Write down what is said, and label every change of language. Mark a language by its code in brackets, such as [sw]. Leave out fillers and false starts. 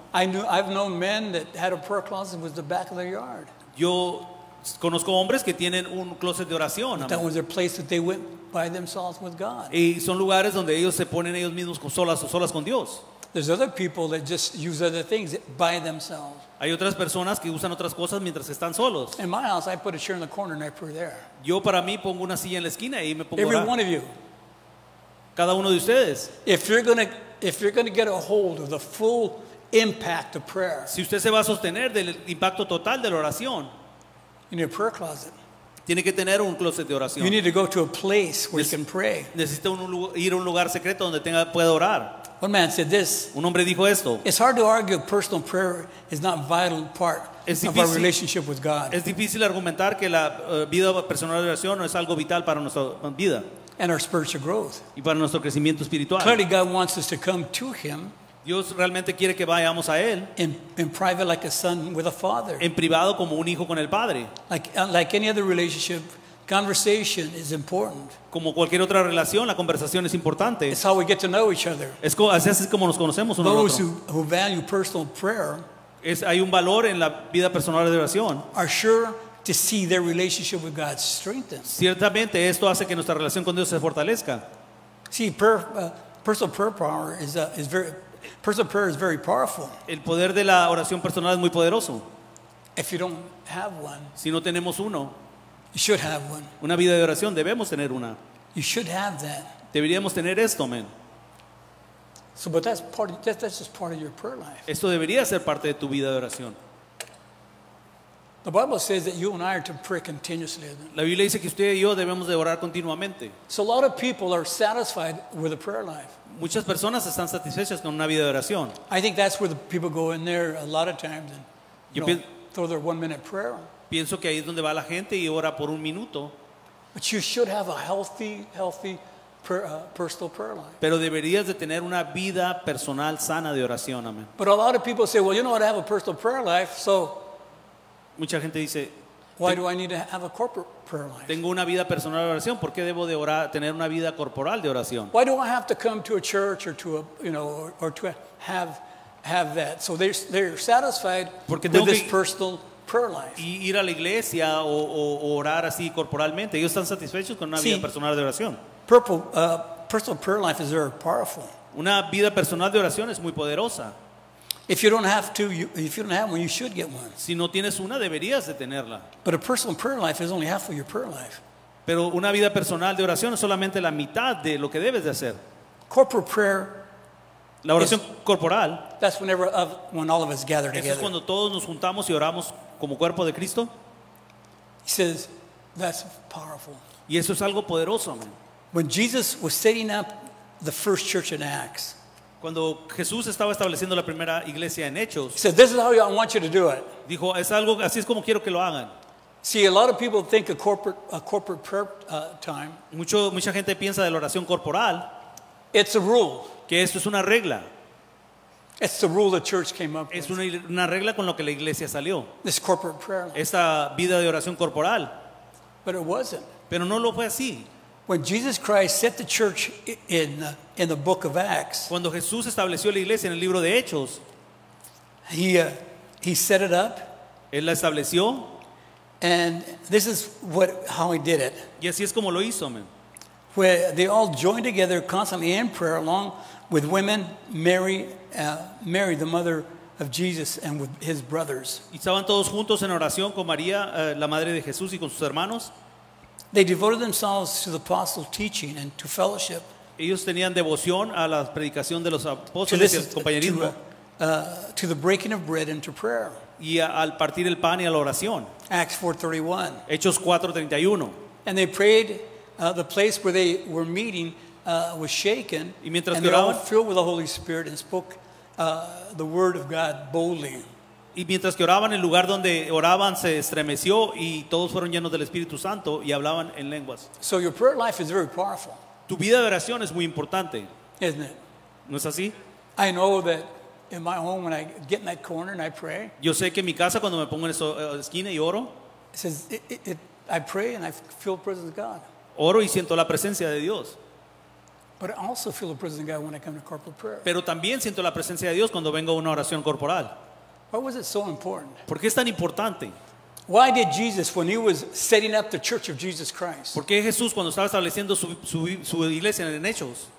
[en] I've known men that had a prayer closet with the back of their yard. [es] Yo conozco hombres que tienen un closet de oración. [en] That was their place that they went by themselves with God. [es] Y son lugares donde ellos se ponen ellos mismos solas con Dios. [en] There's other people that just use other things by themselves. [es] Hay otras personas que usan otras cosas mientras están solos. [en] In my house, I put a chair in the corner and I pray there. [es] Yo para mí pongo una silla en la esquina y me pongo. [en] Every one of you. [es] Cada uno de ustedes. [en] If you're gonna get a hold of the full impact of prayer. [es] Si usted se va a sostener del impacto total de la oración. [en] In your prayer closet. [es] Tiene que tener un closet de oración. [en] You need to go to a place where you can pray. [es] Necesita ir a un lugar secreto donde pueda orar. [en] One man said this. [es] Un hombre dijo esto. [en] It's hard to argue personal prayer is not a vital part of our relationship with God. [es] Es difícil argumentar que la vida personal de oración no es algo vital para nuestra vida. [en] And our spiritual growth. [es] Y para nuestro crecimiento espiritual. [en] Clearly, God wants us to come to Him. [es] Dios realmente quiere que vayamos a Él. [en] In private, like a son with a father. [es] En privado, como un hijo con el padre. [en] Like any other relationship. Conversation is important. [es] Como cualquier otra relación, la conversación es importante. [en] It's how we get to know each other. [es] Así es como nos conocemos uno al otro. [en] Who value personal prayer, [es] hay un valor en la vida personal de oración. [en] Are sure to see their relationship with God strengthened. [es] Ciertamente esto hace que nuestra relación con Dios se fortalezca. [en] See, personal prayer is very powerful. [es] El poder de la oración personal es muy poderoso. [en] If you don't have one, [es] si no tenemos uno. [en] You should have one. [es] Una vida de oración, debemos tener una. [en] You should have that. [es] Deberíamos tener esto, amén. [en] So, but that's just part of your prayer life. [es] Esto debería ser parte de tu vida de oración. [en] The Bible says that you and I are to pray continuously. [es] La Biblia dice que usted y yo debemos de orar continuamente. [en] So a lot of people are satisfied with a prayer life. [es] Muchas personas están satisfechas con una vida de oración. [en] I think that's where the people go in there a lot of times and throw their 1 minute prayer. [es] Pienso que ahí es donde va la gente y ora por un minuto. [en] But you should have a healthy personal prayer life. [es] Pero deberías de tener una vida personal sana de oración, amén. [en] But a lot of people say, well, you know what, I have a personal prayer life, so. [es] Mucha gente dice, [en] why do I need to have a corporate prayer life? [es] Tengo una vida personal de oración, ¿por qué debo de orar, tener una vida corporal de oración? [en] Why do I have to come to a church or to a, you know, or to have that? So they're satisfied with this personal prayer life. [es] Y ir a la iglesia o orar así corporalmente. Ellos están satisfechos con una vida personal de oración. [en] Personal prayer life is very powerful. [es] Una vida personal de oración es muy poderosa. [en] If you don't have one, you should get one. [es] Si no tienes una, deberías de tenerla. [en] But a personal prayer life is only half of your prayer life. [es] Pero una vida personal de oración es solamente la mitad de lo que debes de hacer. [en] Corporate prayer. [es] La oración corporal. [en] That's when all of us gather together. [es] Es cuando todos nos juntamos y oramos como cuerpo de Cristo. [en] He says, that's powerful. [es] Y eso es algo poderoso, amén. [en] When Jesus was setting up the first church in Acts, [es] cuando Jesús estaba estableciendo la primera iglesia en Hechos, [en] he said, this is how I want you to do it. [es] Dijo, es algo, así es como quiero que lo hagan. [en] See, a lot of people think of corporate prayer time. [es] Mucha gente piensa de la oración corporal. [en] It's a rule. [es] Que esto es una regla. [en] It's the rule the church came up with. [es] Es una regla con lo que la iglesia salió. [en] This corporate prayer. [es] Esta vida de oración corporal. [en] But it wasn't. [es] Pero no lo fue así. [en] When Jesus Christ set the church in the book of Acts. [es] Cuando Jesús estableció la iglesia en el libro de Hechos. [en] He set it up. [es] Él la estableció. [en] And this is what how he did it. [es] Y así es como lo hizo, man. [en] Where they all joined together constantly in prayer along with women, Mary, Mary the mother of Jesus and with his brothers. [es] Y estaban todos juntos en oración con María, la madre de Jesús y con sus hermanos. [en] They devoted themselves to the apostles' teaching and to fellowship. [es] Ellos tenían devoción a la predicación de los apóstoles y al compañerismo. [en] To the breaking of bread and to prayer. [es] Y al partir el pan y a la oración. [en] Acts 4:31. [es] Hechos 4:31. [en] And they prayed. The place where they were meeting was shaken. [es] Y mientras [en] and [es] que oraban, [en] they all were filled with the Holy Spirit and spoke the word of God boldly. [es] Y mientras que oraban, el lugar donde oraban se estremeció y todos fueron llenos del Espíritu Santo y hablaban en lenguas. [en] So your prayer life is very powerful. [es] Tu vida de oración es muy importante. [en] Isn't it? [es] ¿No es así? [en] I know that in my home when I get in that corner and I pray. [es] Yo sé que en mi casa cuando me pongo en esa esquina y oro. [en] It says, I pray and I feel the presence of God. [es] Oro y siento la presencia de Dios. [en] But I also feel the presence of God when I come to corporal prayer. [es] Pero también siento la presencia de Dios cuando vengo a una oración corporal. [en] Why was it so important? [es] ¿Por qué es tan importante? [en] Why did Jesus, when he was setting up the church of Jesus Christ? [es] ¿Por qué Jesús cuando estaba estableciendo su iglesia en Hechos?